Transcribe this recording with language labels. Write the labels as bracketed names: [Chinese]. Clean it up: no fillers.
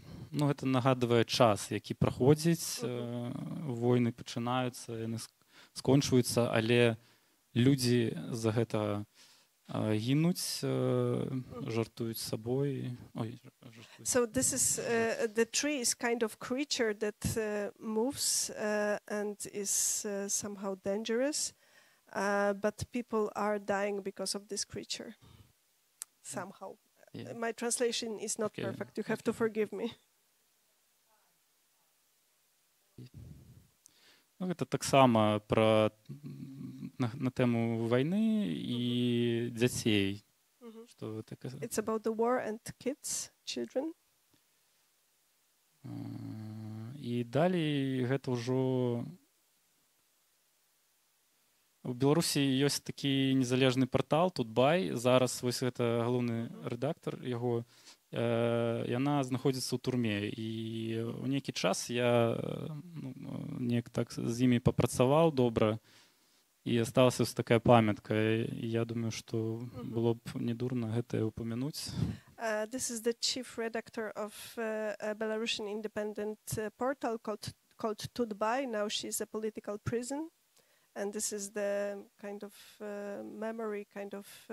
[Ukrainian] Ну, це нагадує час, який проходить. Війни починаються, вони скінчуються, але люди за це гинуть, жертвують собою. Ой, жертвують. [English] So this is the tree is kind of creature that moves and is somehow dangerous, but people are dying because of this creature. Somehow. Yeah. My translation is not perfect. You have to forgive me. [Ukrainian] Ну, це так само про на тему війни і дітей. Що таке? [English] It's about the war and kids, children. [Ukrainian] І далі це вже у Білорусі є такий незалежний портал, тут бай, зараз ось це головний редактор його. І вона знаходиться у тюрмі. І у некий час я ніяк так з ними попрацював добре, і залишилася ось така пам'ятка. Я думаю, що було б не дурно це упомянути. [English] This is the chief redactor of a Belarusian independent portal called Tutbai. Now she's a political prison. And this is the kind of memory, kind of...